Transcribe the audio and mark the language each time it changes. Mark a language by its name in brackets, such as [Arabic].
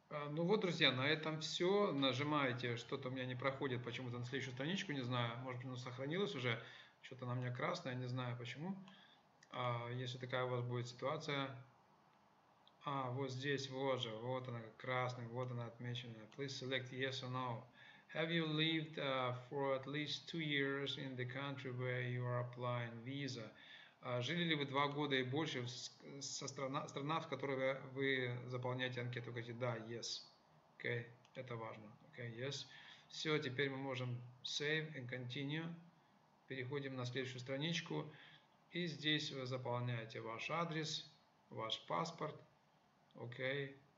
[Russian] Ну вот, друзья, на этом все. Нажимаете, что-то у меня не проходит почему-то на следующую страничку, не знаю. Может быть, оно сохранилось уже. Что-то на мне красное, не знаю почему. Если такая у вас будет ситуация. А, вот здесь, вот же, вот она, красный, вот она отмечена. [English] Please select yes or no. Have you lived for at least 2 years in the country where you are applying visa? [Russian] Жили ли вы 2 года и больше в страна, в которой вы заполняете анкету? Говорите, да, yes. [English] Okay. [Russian] Это важно. Okay, yes. Все, теперь мы можем save and continue. переходим на следующую страничку. И здесь вы заполняете ваш адрес, ваш паспорт. Окей.